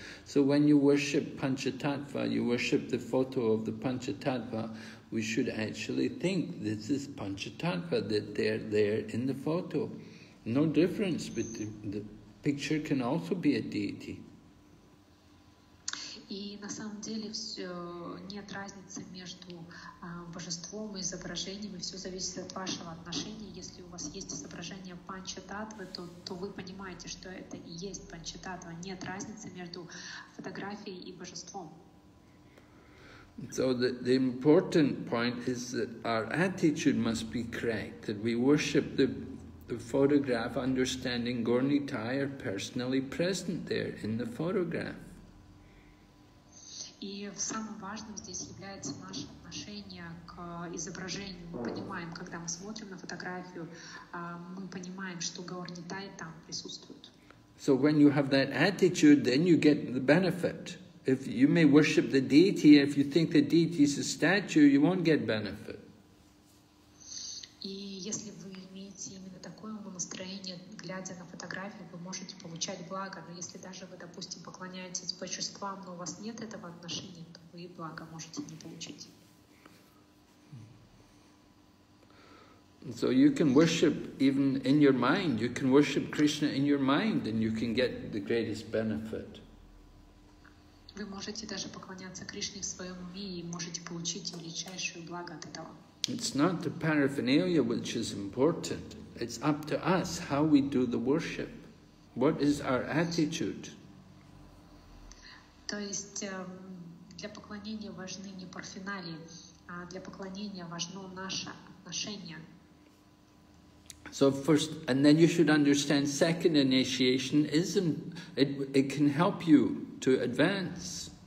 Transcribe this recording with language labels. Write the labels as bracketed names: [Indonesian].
[English] So when you worship Panchatattva, you worship the photo of the Panchatattva, we should actually think, this is Panchatattva, that they're there in the photo. No difference, but the picture can also be a deity. [Russian] И на самом деле все, нет разницы между божеством и изображением, и все зависит от вашего отношения. Если у вас есть изображение Панчататвы, то вы понимаете, что это и есть Панчататва. Нет разницы между фотографией и божеством. [English] So the important point is that our attitude must be correct, that we worship the photograph, understanding Gornitai are personally present there in the photograph. [Russian] И самым важным здесь является наше отношение к изображению. Мы понимаем, когда мы смотрим на фотографию, мы понимаем, что Гаурнитай там присутствует. [English] So when you have that attitude, then you get the benefit. If you may worship the deity, if you think the deity is a statue, you won't get benefit. [Russian] И если вы имеете именно такое настроение, глядя на фотографию, вы можете получать благо. Но если даже вы, допустим, поклоняетесь божествам, но у вас нет этого отношения, то вы благо можете не получить. [English] So you can worship even in your mind. You can worship Krishna in your mind, and you can get the greatest benefit. [Russian] Вы можете даже поклоняться Кришне в своем уме и можете получить величайшее благо от этого. [English] It's not the paraphernalia which is important. It's up to us how we do the worship. What is our attitude? [Russian] То есть для поклонения важны не парафиналии, а для поклонения важно наше отношение. [English] So first, and then you should understand second initiation isn't, it can help you to advance.